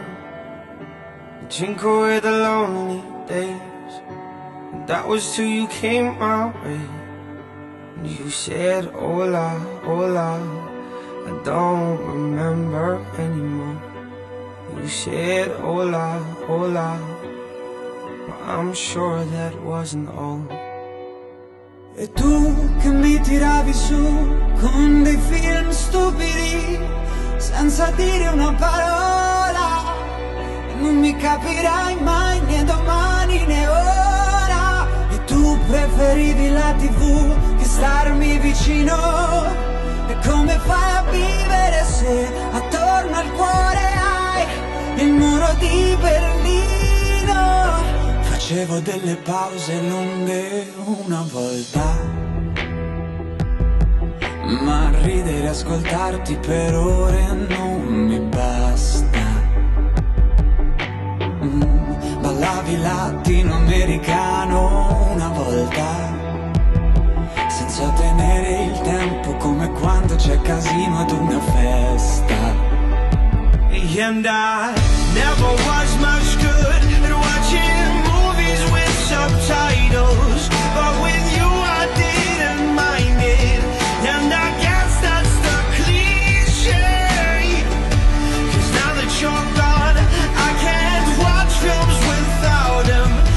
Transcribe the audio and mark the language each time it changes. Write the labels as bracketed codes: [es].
[en] I drink away the lonely days, and that was till you came my way. And you said, hola, hola, I don't remember anymore. You said hola, hola, but I'm sure that wasn't all. [it] E tu che mi tiravi su con dei film stupidi senza dire una parola, e non mi capirai mai né domani né ora. E tu preferivi la TV che starmi vicino. E come fai a vivere se attorno al cuore hai il muro di Berlino? Facevo delle pause lunghe una volta, ma ridere e ascoltarti per ore non mi basta. Ballavi latinoamericano una volta, senza tenere il tempo come quando c'è casino ad una festa. [en] And I never was much good at watching movies with subtitles, but with you I didn't mind it. And I guess that's the cliche, 'cause now that you're gone I can't watch films without them.